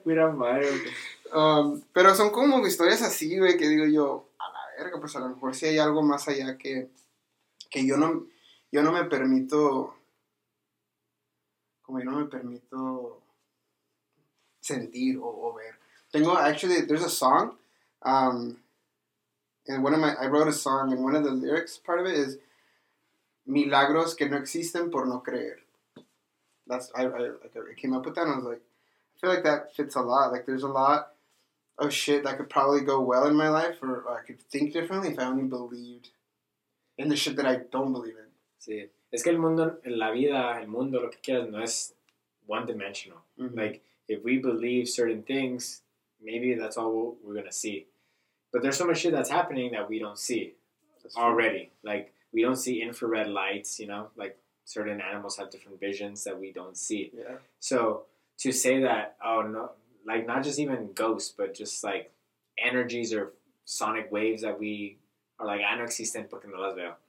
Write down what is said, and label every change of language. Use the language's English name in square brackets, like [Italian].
[Spanish] Mira, madre. Pero son como historias así, güey, que digo yo, a la verga, pues a lo mejor sí hay algo más allá que yo no me permito, como yo no me permito sentir o ver. [English] Tengo, actually, there's a song, and one of my, I wrote a song, and one of the lyrics part of it is, [Spanish] milagros que no existen por no creer. [English] That's I came up with that and I was like, I feel like that fits a lot. Like there's a lot of shit that could probably go well in my life or I could think differently if I only believed in the shit that I don't believe in. [Spanish] Sí. Es que el mundo, la vida, el mundo, lo que quieras, no es [English] one dimensional. Mm-hmm. Like if we believe certain things, maybe that's all we're gonna see. But there's so much shit that's happening that we don't see that's already. True. Like we don't see infrared lights, you know, like certain animals have different visions that we don't see. Yeah. So to say that, oh, no, like not just even ghosts, but just like energies or sonic waves that we are like, I [Spanish] no existen porque no las veo.